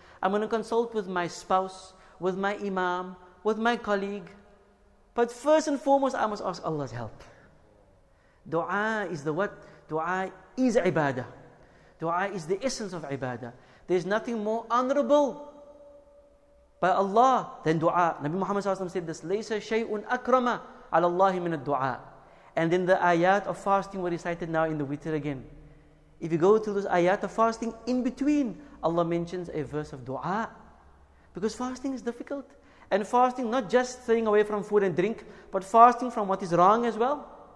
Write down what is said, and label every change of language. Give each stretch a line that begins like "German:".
English: I'm going to consult with my spouse, with my imam, with my colleague. But first and foremost, I must ask Allah's help. Dua is the what? Dua is ibadah. Dua is the essence of ibadah. There's nothing more honorable by Allah than dua.
Arabic: Nabi Muhammad SAW said this, لَيْسَ شَيْءٌ أَكْرَمَ عَلَى اللَّهِ مِنَ الدُّعَى.
English: And then the ayat of fasting were recited now in the witr again. If you go through those ayat of fasting, in between, Allah mentions a verse of dua. Because fasting is difficult. And fasting, not just staying away from food and drink, but fasting from what is wrong as well.